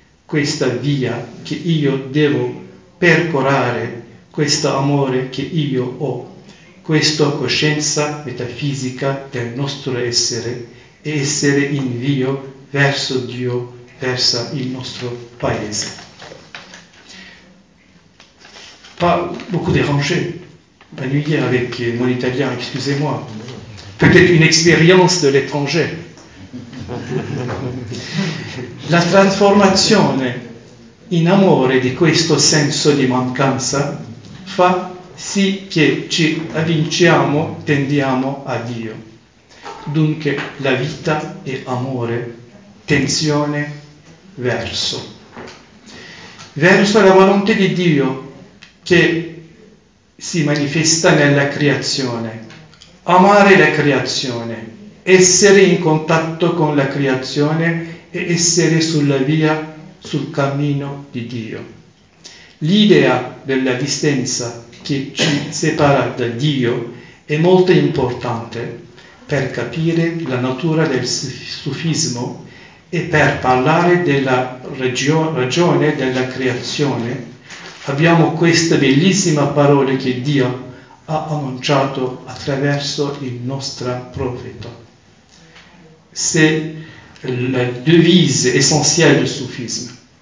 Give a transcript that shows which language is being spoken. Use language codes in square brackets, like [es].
[it] Questa via che io devo percorrere, questo amore che io ho, questa coscienza metafisica del nostro essere e essere in via verso Dio, verso il nostro paese. [fr] Pas beaucoup dérangé, ennuyé avec mon italien, excusez-moi. Peut-être une expérience de l'étranger. [it] La trasformazione in amore di questo senso di mancanza fa sì che ci avviciniamo, tendiamo a Dio. Dunque la vita è amore, tensione verso. Verso la volontà di Dio che si manifesta nella creazione. Amare la creazione, essere in contatto con la creazione e essere sulla via, sul cammino di Dio. L'idea della distanza che ci separa da Dio è molto importante per capire la natura del sufismo e per parlare della ragione della creazione. Abbiamo questa bellissima parola che Dio ha annunciato attraverso il nostro profeta. [fr] C'est la devise essentielle du soufisme.